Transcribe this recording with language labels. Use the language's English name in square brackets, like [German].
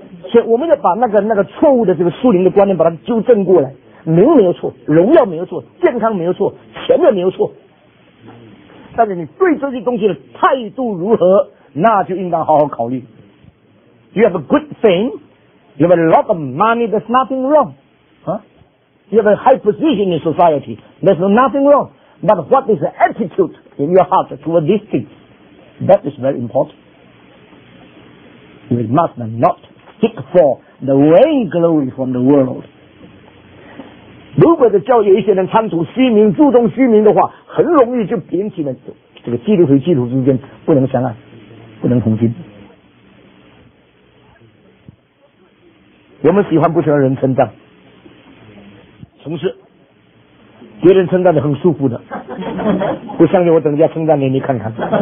[Chinese] 所以我们要把那个错误的这个属灵的观念把它纠正过来，名没有错，荣耀没有错，健康没有错，钱也没有错，但是你对这些东西的态度如何，那就应当好好考虑。 [English] You have a good thing, you have a lot of money, there's nothing wrong. You have a high position in society. There's nothing wrong. But what is the attitude in your heart toward these things? That is very important. You must not seek for the vain glory from the world. [Chinese] 如果的教有一些人贪图虚名，注重虚名的话，很容易就引起了这个基督徒与基督徒之间不能相爱，不能同心。我们喜欢不喜欢人称赞？同事别人称赞你很舒服的，不相信我等一下称赞你，你看看。